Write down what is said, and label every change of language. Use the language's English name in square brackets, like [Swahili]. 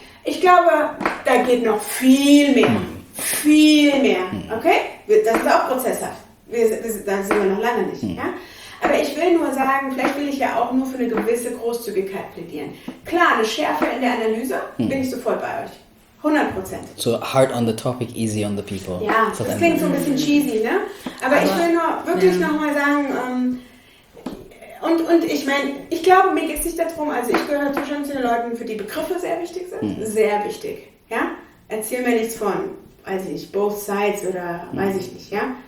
[German] Ich glaube, da geht noch viel mehr. Viel mehr. Okay? Das ist auch prozesshaft. Da sind wir noch lange nicht. Ja? Aber ich will nur sagen, vielleicht will ich ja auch nur für eine gewisse Großzügigkeit plädieren. Klar, eine Schärfe in der Analyse, bin ich sofort bei euch. 100%. [English] So hard on the topic, easy on the people. [German] Ja, das klingt so ein bisschen cheesy, ne? Aber ich will nur wirklich nochmal sagen, und ich meine, ich glaube, mir geht es nicht darum, also ich gehöre natürlich schon zu den Leuten, für die Begriffe sehr wichtig sind. Sehr wichtig, ja, erzähl mir nichts von, weiß ich nicht, [English] both sides [German] oder weiß ich nicht, ja.